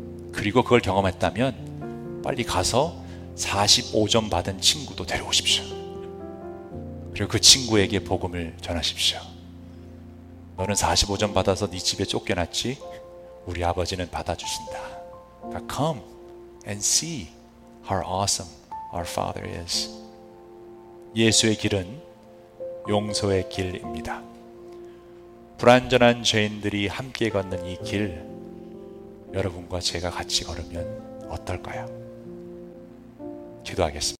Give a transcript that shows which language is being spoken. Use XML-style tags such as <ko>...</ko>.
<ko>그리고 그걸 경험했다면 빨리 가서 45점 받은 친구도 데려오십시오. 그리고 그 친구에게 복음을 전하십시오. 너는 45점 받아서 네 집에 쫓겨났지? 우리 아버지는 받아주신다.</ko> <en>Now come and see how awesome our Father is.</en> <ko>예수의 길은 용서의 길입니다. 불완전한 죄인들이 함께 걷는 이 길, 여러분과 제가 같이 걸으면 어떨까요? 기도하겠습니다.</ko>